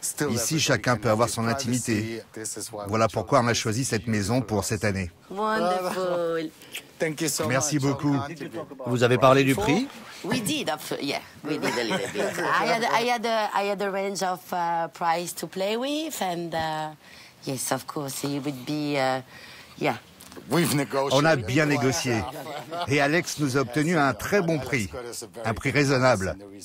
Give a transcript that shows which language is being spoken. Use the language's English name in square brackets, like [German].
[French] Ici, chacun peut avoir son intimité. Voilà pourquoi on a choisi cette maison pour cette année. [English] Wonderful. [French] Merci beaucoup. Vous avez parlé du prix? [English] We did, yeah, we did a little bit. I had a range of price to play with, and yes, of course, it would be, yeah. We've negotiated. [French] On a bien négocié, et Alex nous a obtenu un très bon prix, un prix raisonnable.